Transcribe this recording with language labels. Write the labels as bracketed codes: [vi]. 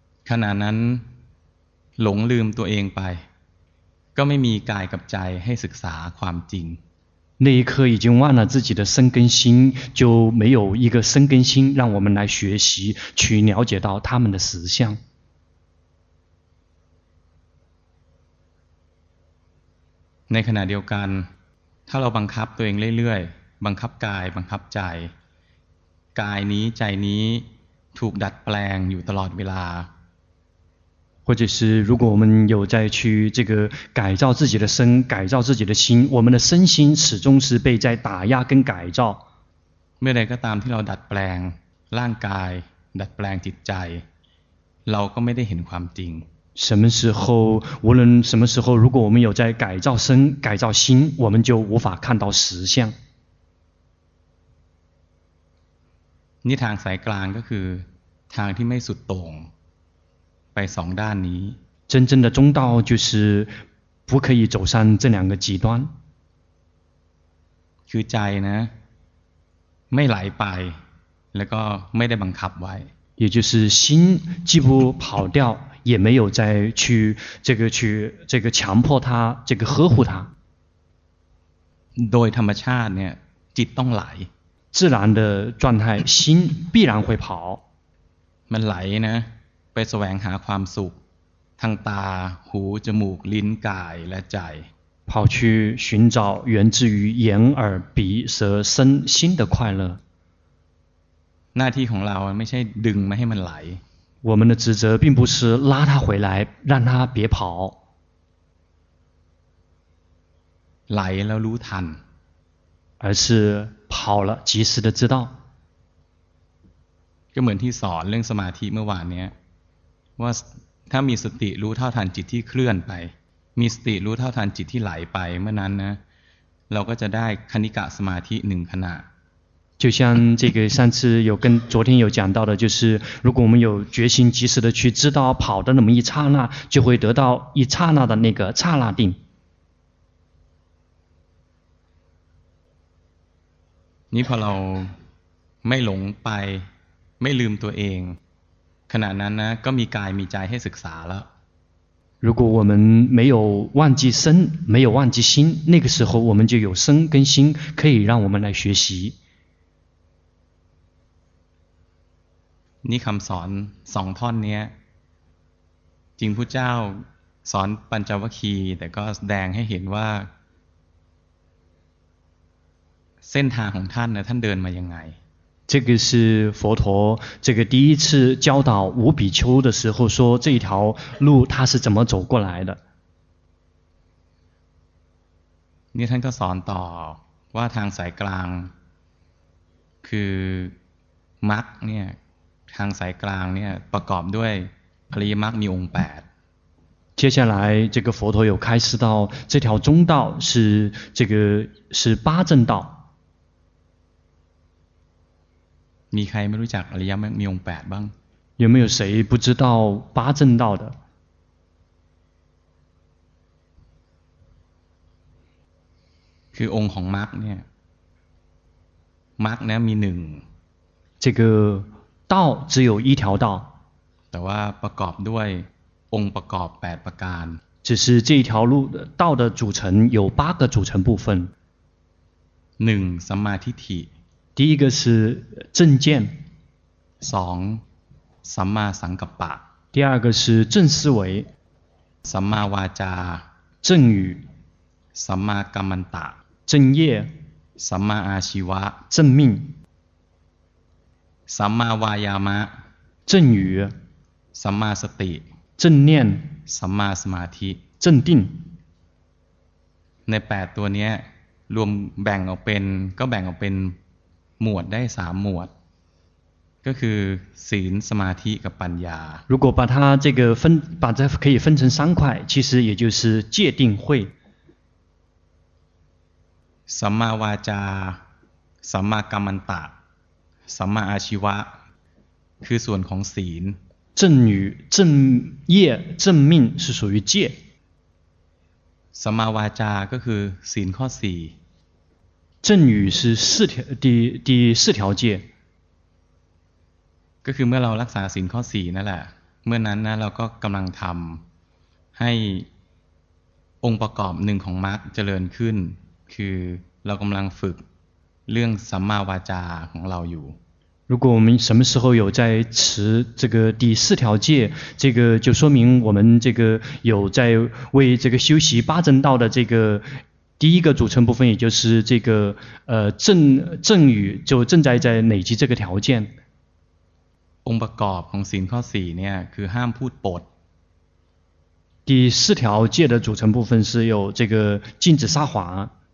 [th] ขณะนั้น หลงลืมตัวเองไป ก็ไม่มีกายกับใจให้ศึกษาความจริง [zh] 那一刻已经忘了自己的身跟心，就没有一个身跟心让我们来学习，去了解到他们的实相。 [th] ในขณะเดียวกันถ้าเราบังคับตัวเองเรื่อยๆบังคับกายบังคับใจกายนี้ใจนี้ถูกดัดแปลงอยู่ตลอดเวลา [zh] 或者是如果我们有在去这个改造自己的身改造自己的心我们的身心始终是被在打压跟改造 [th] เมื่อใดก็ตามที่เราดัดแปลงร่างกายดัดแปลงจิตใจเราก็ไม่ได้เห็นความจริง [zh] 什么时候，无论什么时候，如果我们有在改造身、改造心，我们就无法看到实相。 [th] นี่ทางสายกลางก็คือทางที่ไม่สุดโต่งไปสองด้านนี้。 [zh] 真正的中道就是不可以走上这两个极端。 [th] คือใจนะไม่ไหลไปแล้วก็ไม่ได้บังคับไว้ [zh] 。 也就是心既不跑掉。也没有再去这个去这个强迫他这个呵护他。 [th] โดยธรรมชาติเนี่ยจิตต้องไหล [zh] 自然的状态心必然会跑 [th] มันไหลนะไปแสวงหาความสุขทางตาหูจมูกลิ้นกายและใจ [zh] 跑去寻找源自于眼耳鼻舌身心的快乐 [th] หน้าที่ของเราไม่ใช่ดึงไม่ให้มันไหล [zh] 我们的职责并不是拉他回来，让他别跑。来了，如坦，而是跑了，及时的知道。 [th] 就เหมือนที่สอนเรื่องสมาธิเมื่อวานเนี้ย，ว่าถ้ามีสติรู้เท่าทันจิตที่เคลื่อนไป，มีสติรู้เท่าทันจิตที่ไหลไปเมื่อนั้นนะ，เราก็จะได้คณิกะสมาธิหนึ่งขณะ。 [zh] 就像这个上次有跟昨天有讲到的，就是如果我们有决心及时的去知道跑的那么一刹那，就会得到一刹那的那个刹那定。 [th] 你พอเราไม่หลงไปไม่ลืมตัวเองขณะนั้นนะก็มีกายมีใจให้ศึกษาแล้ว [zh] 如果我们没有忘记身没有忘记心那个时候我们就有身跟心可以让我们来学习 [th] นี่คำสอนสองท่อนนี้จริงพุทธเจ้าสอนปัญจวัคคีย์แต่ก็แสดงให้เห็นว่าเส้นทางของท่านนะท่านเดินมายังไง [zh] 这个是佛陀这个第一次教导五比丘的时候说这一条路他是怎么走过来的 [th] นี่ท่านก็สอนต่อ ว่าทางสายกลางคือมรรคเนี่ยทางสายกลางเนี่ยประกอบด้วยอริยมรรคมีองค์8 [zh] 接下来这个佛陀有开示到这条中道是这个是八正道 [th] มีใครไม่รู้จักอริยมรรคมีองค์8บ้าง [zh] 有没有谁不知道八正道的 [th] คือองค์ของมรรคเนี่ยมรรคเนี่ยมี1 [zh] 这个道只有一条道 [th] แต่ว่าประกอบด้วยองค์ประกอบ8ประการ [zh] 只是这一条路道的组成有八个组成部分 [th] หนึ่งสัมมาทิฏฐิ [zh] 第一个是正见 [th] สองสัมมาสังกัปปะ [zh] 第二个是正思维 [th] สัมมาวาจา [zh] 正语 [th] สัมมากัมมันตะ [zh] 正业 [th] สัมมาอาชีวะ [zh] 正命 [th] สัมมาวายามะ [zh] 正语 [th] สัมมาสติ [zh] 正念 [th] สัมมาสมาธิ [zh] 正定 [th] ใน8ตัวนี้รวมแบ่งออกเป็นก็แบ่งออกเป็นหมวดได้3หมวดก็คือศีลสมาธิกับปัญญา [zh] 如果把它这个分把这可以分成三块其实也就是戒定慧 [th] สัมมาวาจาสัมมากัมมันตะสัมมาอาชีวะคือส่วนของศีล [zh] 正语正业正命是属于戒 [th] สัมมาวาจาก็คือศีลข้อ4 [zh] 正语是四条第四条戒 [th] ก็คือเมื่อเรารักษาศีลข้อ4นั่นแหละเมื่อนั้นนะเราก็กำลังทำให้องค์ประกอบ1ของมรรคเจริญขึ้นคือเรากำลังฝึกเรื่องสัมมาวาจาของเราอยู่ [zh] 如果我们什么时候有在持这个第四条戒，这个就说明我们这个有在为这个修习八正道的这个第一个组成部分，也就是这个正语，就正在累积这个条件。 [th] องค์ประกอบของศีลข้อ4เนี่ยคือห้ามพูดปด。 [zh] 第四条戒的组成部分是有这个禁止撒谎。